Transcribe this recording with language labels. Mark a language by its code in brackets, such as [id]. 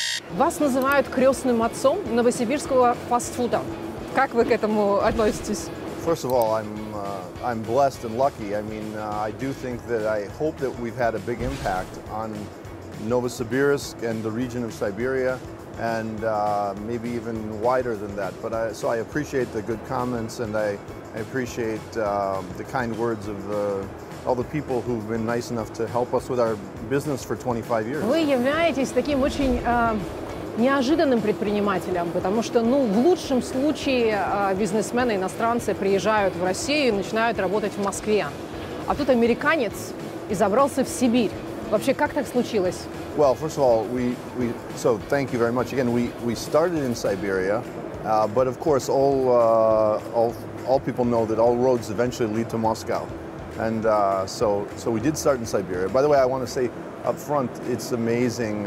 [ru] Вас называют крестным отцом новосибирского фастфуда. Как вы к этому относитесь? [en] First of all, I'm blessed and lucky. I mean, I do think that I hope that we've had a big impact on Novosibirsk and the region of Siberia, and maybe even wider than that. But I appreciate the good comments, and I appreciate the kind words of all the people who've been nice enough to help us with our business for 25 years. [ru] Вы являетесь таким очень неожиданным предпринимателем, потому что, ну, в лучшем случае бизнесмены, иностранцы приезжают в Россию и начинают работать в Москве. А тут американец и забрался в Сибирь. Вообще, как так случилось? [en] Well, first of all, so thank you very much. Again, we started in Siberia, but of course all people know that all roads eventually lead to Moscow. And so we did start in Siberia. By the way, I want to say up front, it's amazing.